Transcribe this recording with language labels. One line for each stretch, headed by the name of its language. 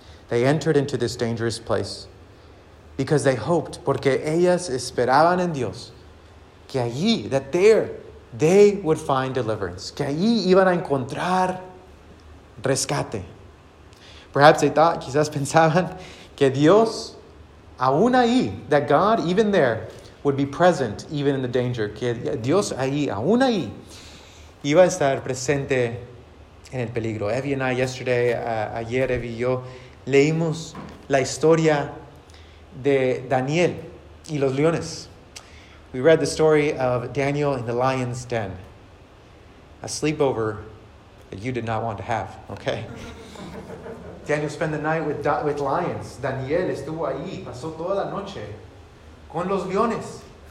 English: They entered into this dangerous place because they hoped,
Spanish: porque ellas esperaban en Dios, que allí,
English: that there, they would find deliverance.
Spanish: Que allí iban a encontrar rescate.
English: Perhaps they thought,
Spanish: quizás pensaban, que Dios, aún ahí,
English: that God, even there, would be present, even in the danger.
Spanish: Que Dios ahí, aún ahí, iba a estar presente en el peligro.
English: Evie and I, yesterday,
Spanish: ayer Evie y yo, leímos la historia de Daniel y los leones.
English: We read the story of Daniel in the lion's den. A sleepover that you did not want to have, okay? Daniel spent the night with lions.
Spanish: Daniel estuvo ahí, pasó toda la noche con los leones.